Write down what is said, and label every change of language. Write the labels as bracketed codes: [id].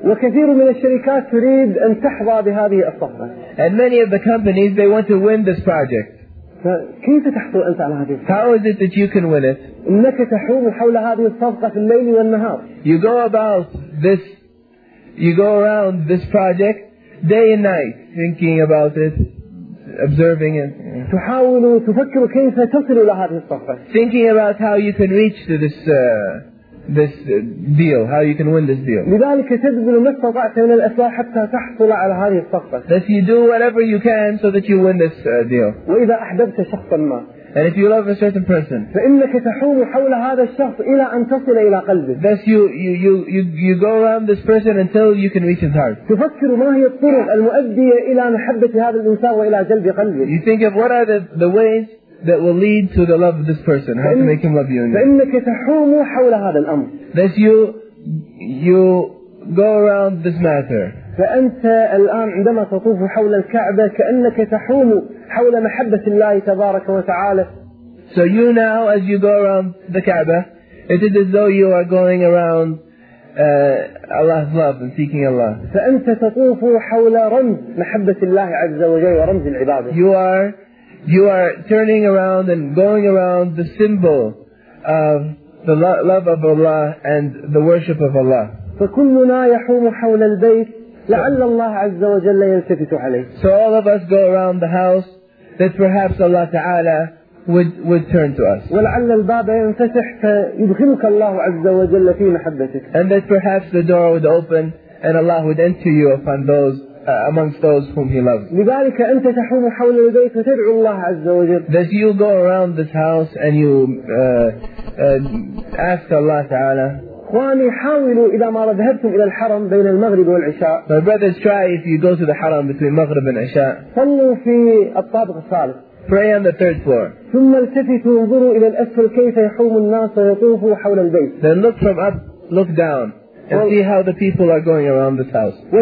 [ar] وكثير من الشركات تريد أن تحظى بهذه الصفقة. [en] And many of the companies, they want to win this project. [ar] كيف تحصل أنت على هذه الصفقة؟ [en] How is it that you can win it? [ar] إنك تحوم حول هذه الصفقة في الليل والنهار. [en] You go around this project day and night, thinking about it, observing it. [ar] تحاول تفكر كيف تصل إلى هذه الصفقة. [en] Thinking about how you can reach to this deal, how you can win this deal. [ar] لذلك تبذل ما استطعت من الأسلحة حتى تحصل على هذه الصفقة. [en] That you do whatever you can so that you win this deal. [ar] وإذا أحببت شخصا ما. [en] And if you love a certain person. [ar] فإنك تحوم حول هذا الشخص إلى أن تصل إلى قلبه. [en] That you go around this person until you can reach his heart. [ar] تفكر ما هي الطرق المؤدية إلى محبة هذا الإنسان وإلى جلب قلبه. [en] You think of what are the ways that will lead to the love of this person, how to make him love you. [ar] فإنك تحوم حول هذا الأمر. [en] That you go around this matter. [ar] فأنت الآن عندما تطوف حول الكعبة كأنك تحوم حول محبة الله تبارك وتعالى. [en] So you now, as you go around the Kaaba, it is as though you are going around Allah's love and seeking Allah. [ar] فأنت تطوف حول رمز محبة الله عز وجل ورمز العبادة. [en] You are turning around and going around the symbol of the love of Allah and the worship of Allah. [ar] فكلنا يحوم حول البيت لعل الله عز وجل يلتفت عليه. [en] So all of us go around the house that perhaps Allah Ta'ala would turn to us. [ar] ولعل الباب ينفتح فيدخلك الله عز وجل في محبتك. [en] And that perhaps the door would open and Allah would enter you upon those amongst those whom he loves. [ar] لذلك أنت تحوم حول البيت وتدعو الله عز وجل. [en] That you go around this house and you ask Allah Ta'ala. [ar] إخواني حاولوا إذا ما ذهبتم إلى الحرم بين المغرب والعشاء. [en] My brothers, try if you go to the Haram between Maghrib and Isha. [ar] صلوا في الطابق الثالث. [en] Pray on the third floor. [ar] ثم التفتوا انظروا إلى الأسفل كيف يحوم الناس ويطوفوا حول البيت. [en] Then look from up, look down. And see how the people are going around this house.